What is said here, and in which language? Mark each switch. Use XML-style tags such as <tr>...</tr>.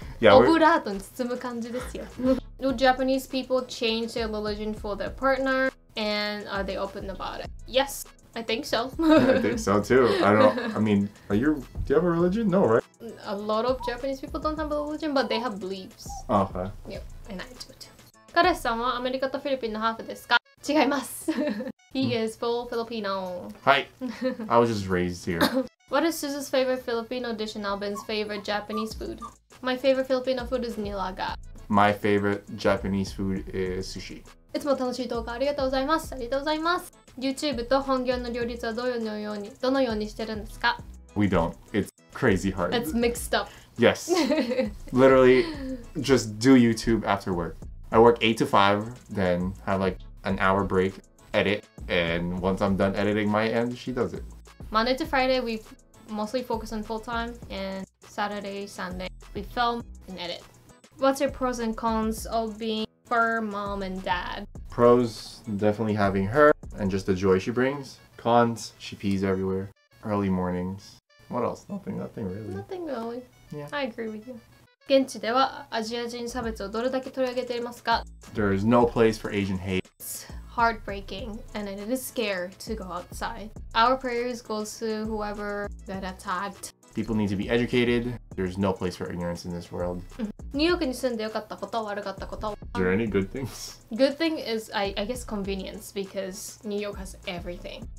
<ja>Yeah, オブラートに包む感じですよ。</ja> <en>Do Japanese people change their religion for their partner? And are they open about it? Yes. I think so. I think so too. I don't know. I mean, do you have a religion? No, right? A lot of Japanese people don't have a religion, but they have beliefs. Okay. Yep, and I do too.</en> <ja>彼氏さんはアメリカとフィリピンのハーフですか? 違います。</ja> <en>He is full Filipino. Hi. I was just raised here. What is Suzu's favorite Filipino dish and Alvin's favorite Japanese food? My favorite Filipino food is nilaga. My favorite Japanese food is sushi.</en> <ja>いつも楽しい動画ありがとうございます。ありがとうございます。 YouTube と本業の両立はどのようにしてるんですか?</ja> <en>We don't. It's crazy hard. It's mixed up. Yes. Literally, just do YouTube after work. I work 8 to 5, then have like an hour break, edit, and once I'm done editing my end, she does it. Monday to Friday, we mostly focus on full time, and Saturday, Sunday, we film and edit. What's your pros and cons of being... For mom and dad. Pros, definitely having her and just the joy she brings. Cons, she pees everywhere. Early mornings. What else? Nothing really. Nothing really. Yeah. I agree with you.</en> <ja>現地ではアジア人差別をどれだけ取り上げていますか?</ja> <en>There is no place for Asian hate. It's heartbreaking and it is scary to go outside. Our prayers go to whoever got attacked. People need to be educated. There's no place for ignorance in this world.</en> <ja>New York に住んでよかったこと、悪かったこと。</ja> <en>Is there any good things? Good thing is, I guess, convenience because New York has everything.</en>